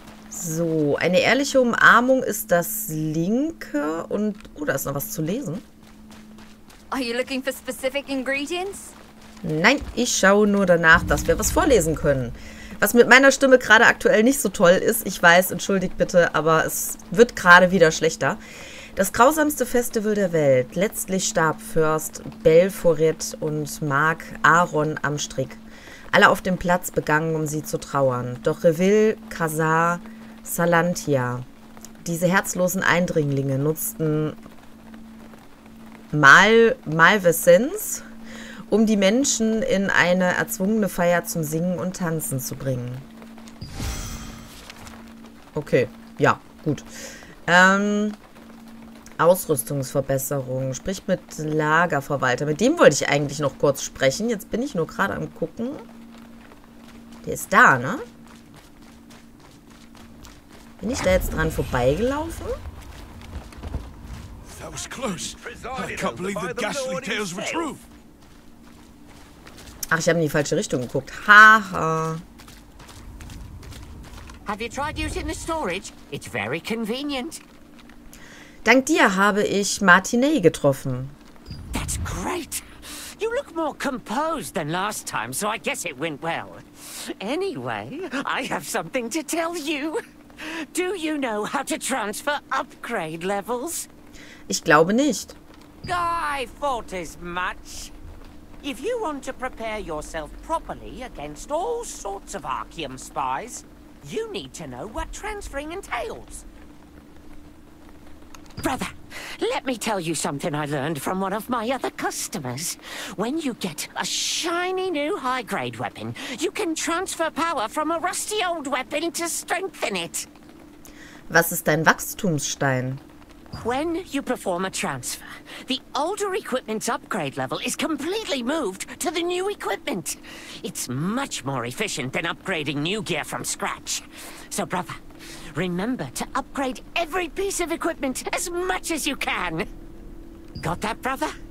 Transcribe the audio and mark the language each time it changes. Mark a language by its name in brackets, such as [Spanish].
[German] So, eine ehrliche Umarmung ist das linke und. Oh, da ist noch was zu lesen. [English] Are you looking for specific ingredients? [German] Nein, ich schaue nur danach, dass wir was vorlesen können. Was mit meiner Stimme gerade aktuell nicht so toll ist, ich weiß, entschuldigt bitte, aber es wird gerade wieder schlechter. Das grausamste Festival der Welt. Letztlich starb Fürst Belforet und Mark Aaron am Strick. Alle auf dem Platz begangen, um sie zu trauern. Doch Reville, Khazar, Salantia, diese herzlosen Eindringlinge nutzten Malvesens, um die Menschen in eine erzwungene Feier zum Singen und Tanzen zu bringen. Okay, ja, gut. Ausrüstungsverbesserung. Sprich mit Lagerverwalter. Mit dem wollte ich eigentlich noch kurz sprechen. Jetzt bin ich nur gerade am Gucken. Der ist da, ne? Bin ich da jetzt dran vorbeigelaufen? [English] That was close. I can't believe the ghastly tales were true. [German] Ach, ich habe in die falsche Richtung geguckt. Haha. [English] Have you tried using the storage? It's very convenient. [German] Dank dir habe ich Martinet getroffen. [English] That's great. You look more composed than last time, so I guess it went well. Anyway, I have something to tell you. Do you know how to transfer upgrade levels? [German] Ich glaube nicht. [English] I thought as much. If you want to prepare yourself properly against all sorts of Archaeum spies, you need to know what transferring entails. Brother, let me tell you something I learned from one of my other customers. When you get a shiny new high-grade weapon, you can transfer power from a rusty old weapon to strengthen it. [German] Was ist dein Wachstumsstein? [English] When you perform a transfer, the older equipment's upgrade level is completely moved to the new equipment. It's much more efficient than upgrading new gear from scratch. So, brother, remember to upgrade every piece of equipment as much as you can. Got that, brother?